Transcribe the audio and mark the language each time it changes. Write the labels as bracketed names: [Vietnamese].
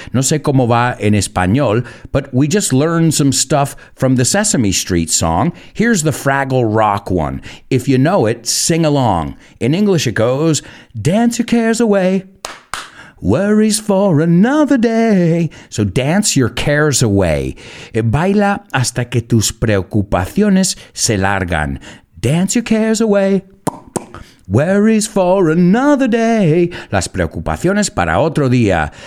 [Spanish] No sé cómo va en español, [English] but we just learned some stuff from the Sesame Street song. Here's the Fraggle Rock one. If you know it, sing along. In English it goes, dance your cares away, worries for another day. So dance your cares away. [Spanish] Baila hasta que tus preocupaciones se largan. [English] Dance your cares away. Worries for another day. [Spanish] Las preocupaciones para otro día.